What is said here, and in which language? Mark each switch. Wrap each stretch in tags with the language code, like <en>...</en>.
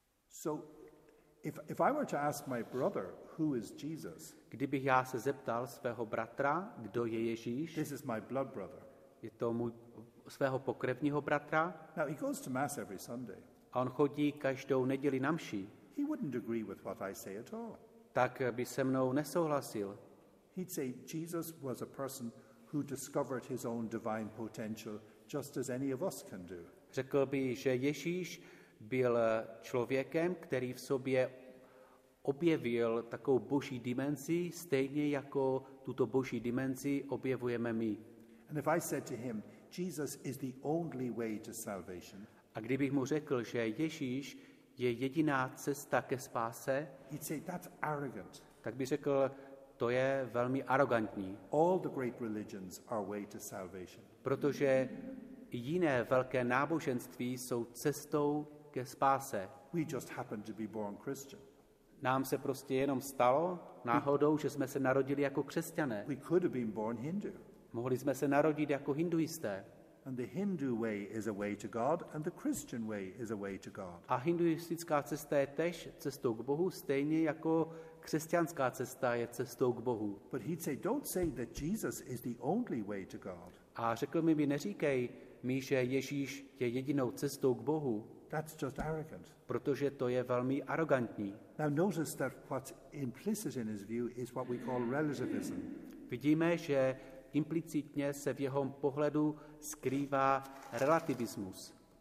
<en>So if I were to ask my brother who is Jesus.</en> <cs>Kdybych já se zeptal svého bratra, kdo je Ježíš?</cs> <en>This is my blood brother.</en> <cs>Je to můj svého pokrevního bratra.</cs> <en>Now he goes to mass every Sunday.</en> <cs>A on chodí každou neděli na mši.</cs> <en>He wouldn't agree with what I say at all.</en> <cs>Tak by se mnou nesouhlasil.</cs> <en>He'd say Jesus was a person who discovered his own divine potential just as any of us can do.</en> <cs>Řekl by, že Ježíš byl člověkem, který v sobě objevil takovou boží dimenzi, stejně jako tuto boží dimenzi objevujeme my.</cs> <en>And if I said to him, Jesus is the only way to salvation.</en> <cs>A kdybych mu řekl, že Ježíš je jediná cesta ke spáse,</cs> <en>he'd say, that's arrogant.</en> <cs>Tak by řekl, to je velmi arrogantní.</cs> <en>All the great religions are way to salvation.</en> <cs>Protože jiné velké náboženství jsou cestou ke spáse.</cs> <en>We just happen to be born Christian.</en> <cs>Nám se prostě jenom stalo náhodou, že jsme se narodili jako křesťané.</cs> <en>We could have been born Hindu.</en> <cs>Mohli jsme se narodit jako hinduisté.</cs> <en>And the Hindu way is a way to God, and the Christian way is a way to God.</en> <cs>A hinduistická cesta je též cestou k Bohu, stejně jako křesťanská cesta je cestou k Bohu.</cs> <en>But he'd say, don't say that Jesus is the only way to God.</en> <cs>A řekl mi, neříkej mi, že Ježíš je jedinou cestou k Bohu.</cs> <en>That's just arrogant.</en> <cs>Protože to je velmi arrogantní.</cs> <en>Now notice that what's implicit in his view is what we call relativism.</en> <cs>Vidíme, že implicitně se v jeho pohledu skrývá relativismus.</cs>